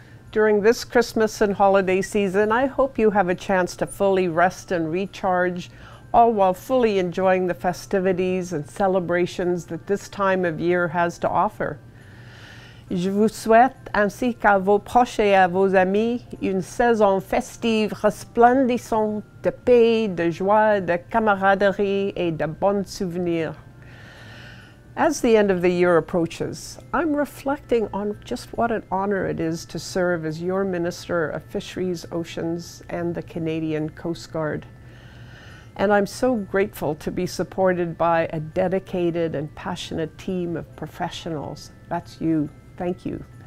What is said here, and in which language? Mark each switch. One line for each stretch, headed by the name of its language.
English: During this Christmas and holiday season, I hope you have a chance to fully rest and recharge, all while fully enjoying the festivities and celebrations that this time of year has to offer.
French: Je vous souhaite, ainsi qu'à vos proches et à vos amis, une saison festive resplendissante de paix, de joie, de camaraderie et de bons souvenirs.
English: As the end of the year approaches, I'm reflecting on just what an honor it is to serve as your Minister of Fisheries, Oceans, and the Canadian Coast Guard. And I'm so grateful to be supported by a dedicated and passionate team of professionals. That's you. Thank you.